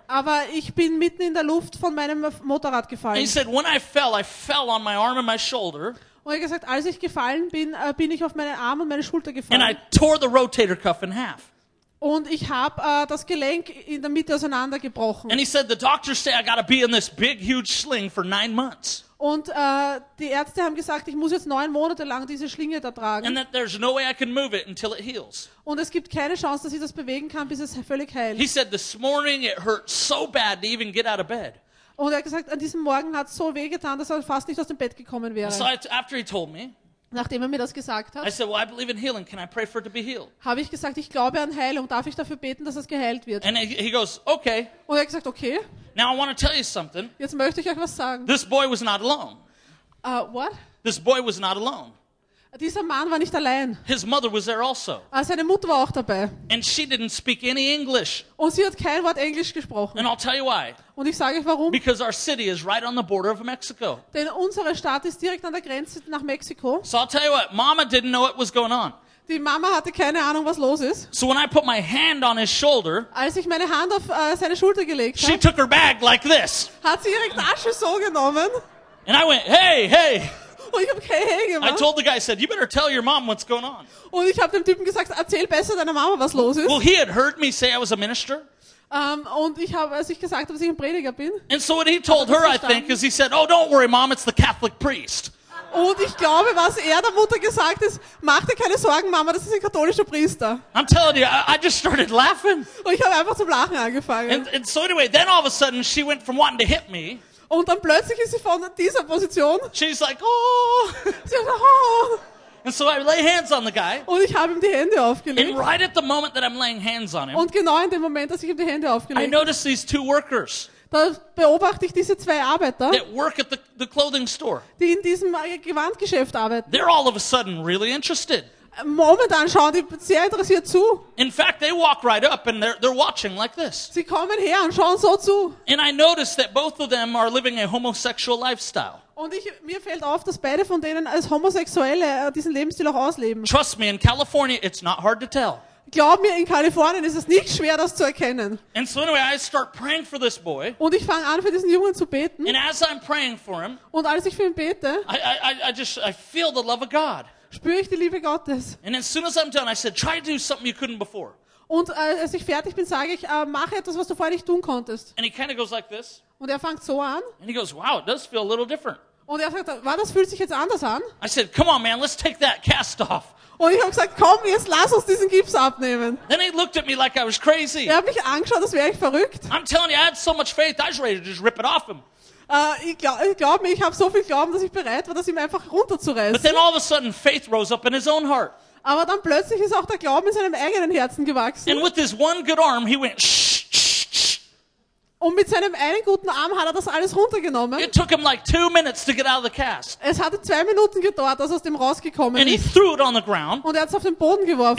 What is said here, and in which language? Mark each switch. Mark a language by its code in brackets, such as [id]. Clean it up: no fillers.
[de] Aber ich bin mitten in der Luft von meinem Motorrad gefallen. [en] And he said, when I fell on my arm and my shoulder. [de] Und er hat gesagt, als ich gefallen bin, bin ich auf meinen Arm und meine Schulter gefallen. [en] And I tore the rotator cuff in half. [de] Und ich habe das Gelenk in der Mitte auseinandergebrochen. [en] And he said, the doctors say I gotta be in this big, huge sling for 9 months. [de] Und die Ärzte haben gesagt, ich muss jetzt 9 Monate lang diese Schlinge da tragen. [en] And that there's no way I can move it until it heals. [de] Und es gibt keine Chance, dass ich das bewegen kann, bis es völlig heilt. [en] He said, this morning it hurt so bad to even get out of bed. [de] Und er hat gesagt, an diesem Morgen hat es so weh getan, dass er fast nicht aus dem Bett gekommen wäre. [en] So after he told me, [de] nachdem er mir das gesagt hat, [en] I said, well, I believe in healing. Can I pray for it to be healed? [de] Habe ich gesagt, ich glaube an Heilung. Darf ich dafür beten, dass es geheilt wird? [en] And he goes, okay. [de] Und er hat gesagt, okay. [en] Now I want to tell you something. [de] Jetzt möchte ich euch was sagen. [en] This boy was not alone. What? This boy was not alone. [de] Dieser Mann war nicht allein. [en] His mother was there also. [de] Seine Mutter war auch dabei. [en] And she didn't speak any English. [de] Und sie hat kein Wort Englisch gesprochen. [en] And I'll tell you why. [de] Und ich sage euch warum. [en] Because our city is right on the border of Mexico. [de] Denn unsere Stadt ist direkt an der Grenze nach Mexiko. [en] So I'll tell you what, Mama didn't know what was going on. [de] Die Mama hatte keine Ahnung, was los ist. [en] So when I put my hand on his shoulder, [de] als ich meine Hand auf seine Schulter gelegt habe, [en] she took her bag like this. [de] Hat sie ihre Tasche so genommen. [en] And I went, hey, hey. [de] Und ich habe kein Hey gemacht. [en] I told the guy, I said, you better tell your mom what's going on. [de] Und ich habe dem Typen gesagt, erzähl besser deiner Mama, was los ist. [en] Well, he had heard me say I was a minister. [de] Und ich habe, als ich gesagt habe, dass ich ein Prediger bin. [en] And so what he told her, I think, is he said, oh, don't worry, Mom, it's the Catholic priest. [de] Und ich glaube, was er der Mutter gesagt ist, mach dir keine Sorgen, Mama, das ist ein katholischer Priester. [en] I'm telling you, I just started laughing. [de] Und ich habe einfach zum Lachen angefangen. [en] And so anyway, then all of a sudden she went from wanting to hit me. [de] Und dann plötzlich ist sie von dieser Position. [en] She's like, oh. [de] Sie hat gesagt, oh. [en] And so I lay hands on the guy. [de] Und ich habe ihm die Hände aufgelegt. [en] And right at the moment that I'm laying hands on him. [de] Und genau in dem Moment, dass ich ihm die Hände aufgelegt habe. [en] I noticed these two workers. [de] Da beobachte ich diese zwei Arbeiter, [en] that work at the clothing store. [de] Die in diesem Gewandgeschäft arbeiten. [en] They're all of a sudden really interested. [de] Momentan schauen die sehr interessiert zu. [en] In fact, they walk right up and they're watching like this. [de] Sie kommen her und schauen so zu. [en] And I noticed that both of them are living a homosexual lifestyle. [de] Und mir fällt auf, dass beide von denen als Homosexuelle diesen Lebensstil auch ausleben. [en] Trust me, in California, it's not hard to tell. [de] Glaub mir, in Kalifornien ist es nicht schwer, das zu erkennen. [en] And so anyway, I start praying for this boy. [de] Und ich fange an, für diesen Jungen zu beten. [en] And as I'm praying for him, [de] und als ich für ihn bete, [en] I feel the love of God. [de] Spüre ich die Liebe Gottes. [en] And as soon as I'm done, I said, try to do something you couldn't before. [de] Und als ich fertig bin, sage ich, mach etwas, was du vorher nicht tun konntest. [en] And he kind of goes like this. [de] Und fängt so an. [en] And he goes, wow, it does feel a little different. [de] Und sagt, wow, das fühlt sich jetzt anders an. [en] I said, come on, man, let's take that cast off. [de] Und ich habe gesagt, komm, jetzt lass uns diesen Gips abnehmen. [en] Then he looked at me like I was crazy. [de] Er hat mich angeschaut, als wäre ich verrückt. [en] I'm telling you, I had so much faith, I was ready to just rip it off him. [de] Glaub mir, ich habe so viel Glauben, dass ich bereit war, das ihm einfach runterzureißen. [en] But then all of a sudden, faith rose up in his own heart. [de] Aber dann plötzlich ist auch der Glaube in seinem eigenen Herzen gewachsen. [en] And with his one good arm, he went shh, shh, shh. [de] Und mit seinem einen guten Arm hat er das alles runtergenommen. [en] It took him like 2 minutes to get out of the cast. [de] Es hatte 2 Minuten gedauert, dass er aus dem rausgekommen [en] and [de] ist. [en] And he threw it on the ground. [de] Und er hat es auf den Boden geworfen.